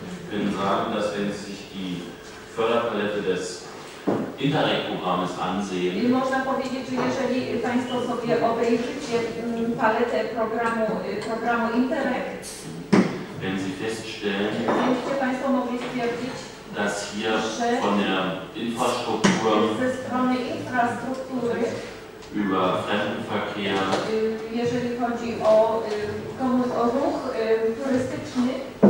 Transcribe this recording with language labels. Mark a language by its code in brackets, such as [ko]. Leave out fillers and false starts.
[de] Können sagen, dass wenn sich die Förderpalette des Interreg-Programmes ansehen. [pl] I można powiedzieć, że jeżeli Państwo sobie obejrzycie paletę programu Interreg, [de] wenn Sie feststellen, [pl] będziecie Państwo mogli stwierdzić, [de] dass hier że von der Infrastruktur [pl] ze strony infrastruktury [de] über Fremdenverkehr, [pl] jeżeli chodzi o ruch turystyczny,